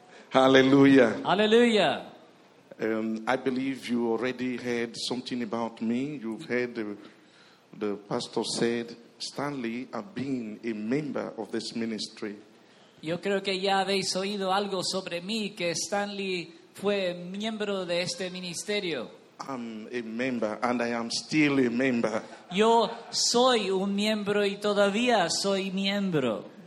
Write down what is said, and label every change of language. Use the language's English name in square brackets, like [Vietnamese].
[English] Hallelujah. Hallelujah. I believe you already heard something about me. You've heard the pastor said, Stanley, I've been a member of this ministry. [Spanish] Yo creo que ya habéis oído algo sobre mí, que Stanley fue miembro de este ministerio. [English] I'm a member and I am still a member. [Spanish] Yo soy un miembro y todavía soy miembro.